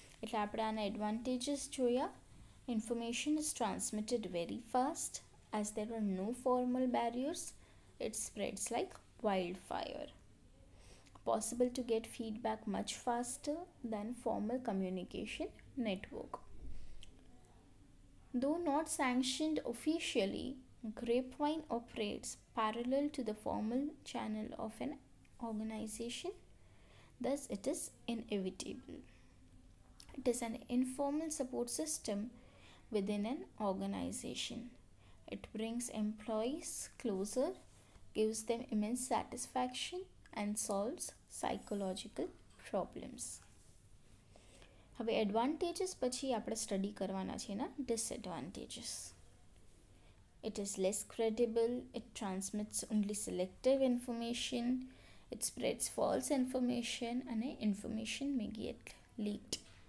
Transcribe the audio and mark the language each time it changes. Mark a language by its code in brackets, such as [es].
[gu] એટલે આપણે આના એડવાન્ટેજીસ જોયા. [en] Information is transmitted very fast as there are no formal barriers. It spreads like wild fire. Possible to get feedback much faster than formal communication network. Though not sanctioned officially, Grapevine operates parallel to the formal channel of an organization. Thus, it is inevitable. It is an informal support system within an organization. It brings employees closer, gives them immense satisfaction, and solves psychological problems. [gu] હવે advantages પછી આપણે study કરવાના છે ના disadvantages. [en] It is less credible, it transmits only selective information, it spreads false information અને information may get leaked.